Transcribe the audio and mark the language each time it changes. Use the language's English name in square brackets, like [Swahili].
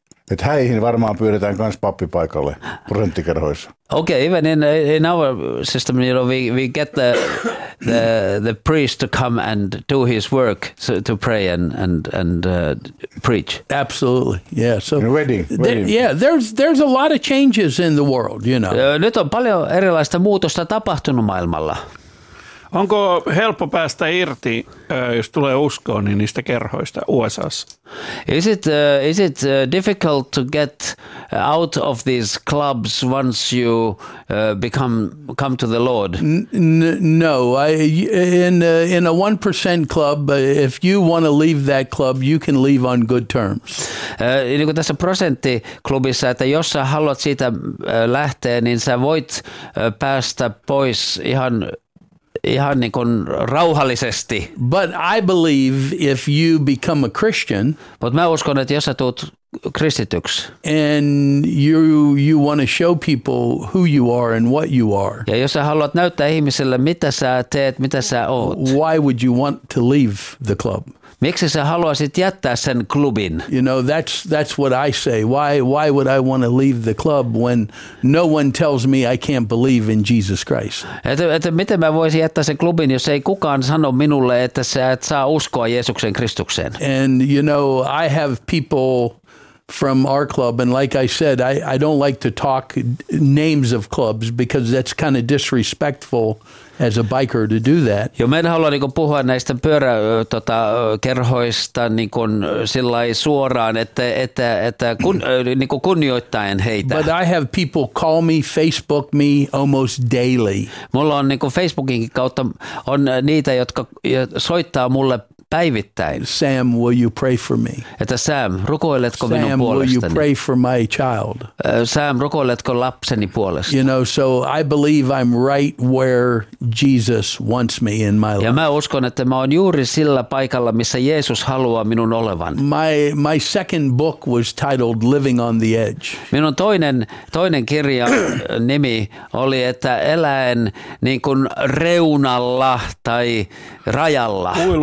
[Finnish] Että häihin varmaan pyydetään myös pappi paikalle prosenttikerhoissa. [English] Okay, even in our system, you know, we get the priest to come and do his work, so to pray and preach. Absolutely, yeah. So wedding. There's a lot of changes in the world, you know. [Finnish] Nyt on paljon erilaista muutosta tapahtunut maailmalla. Onko helppo päästä irti, jos tulee uskoon, niin niistä kerhoista USA:ssa? [English] Is it difficult to get out of these clubs once you come to the Lord? No, in a 1% club, if you want to leave that club, you can leave on good terms. [Finnish] Niin kuin tässä prosenttiklubissa, että jos sä haluat siitä lähteä, niin sä voit päästä pois ihan niin kuin rauhallisesti. [English] But I believe if you become a Christian, [Finnish] mutta mä uskon, että jos sä tuut kristityksi, [English] and you want to show people who you are and what you are, [Finnish] ja jos sä haluat näyttää ihmisille, mitä sä teet, mitä sä oot, [English] why would you want to leave the club? [Finnish] Miksi sä haluaisit jättää sen klubin? [English] You know, that's what I say. Why would I want to leave the club when no one tells me I can't believe in Jesus Christ? [Finnish] Että miten mä voisin jättää sen klubin, jos ei kukaan sano minulle, että sä et saa uskoa Jeesuksen Kristukseen? [English] And you know, I have people from our club, and like I said, I don't like to talk names of clubs because that's kind of disrespectful as a biker to do that. [Finnish] Jo, mä en halua niinku puhua näistä pyöräkerhoista niinkun sillai suoraan, että kun niinku kunnioittaen heitä. [English] But I have people call me, Facebook me almost daily. [Finnish] Mulla on niinku Facebookin kautta on niitä, jotka soittaa mulle päivittäin. [English] Sam, will you pray for me? [Finnish] Että Sam, rukoiletko Sam, minun puolestani? [English] Sam, will you pray for my child? [Finnish] Sam, rukoiletko lapseni puolestani? [English] You know, so I believe I'm right where Jesus wants me in my life. [Finnish] Ja mä uskon, että mä oon juuri sillä paikalla, missä Jeesus haluaa minun olevan. [English] My second book was titled Living on the Edge. [Finnish] Minun toinen kirja nimi oli, että eläen niin kuin reunalla tai rajalla.